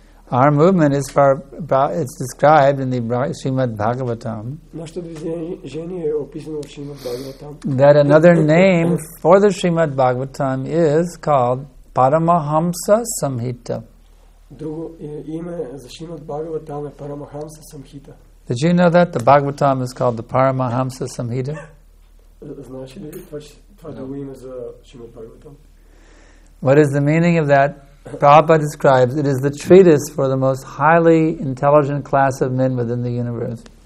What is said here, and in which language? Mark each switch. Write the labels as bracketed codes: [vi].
[en] Our movement is far about, it's described in the Srimad Bhagavatam. [bg] Нашето движение е описано в Srimad Bhagavatam. [en] That another name for the Srimad Bhagavatam is called Paramahamsa Samhita. [bg] Друго име за Srimad Bhagavatam е Paramahamsa Samhita. [en] Did you know that the Bhagavatam is called the Paramahamsa Samhita? [bg] Знаеш ли това друго име за Srimad Bhagavatam? [en] What is the meaning of that? Prabhupada describes it is the treatise for the most highly intelligent class of men within the universe.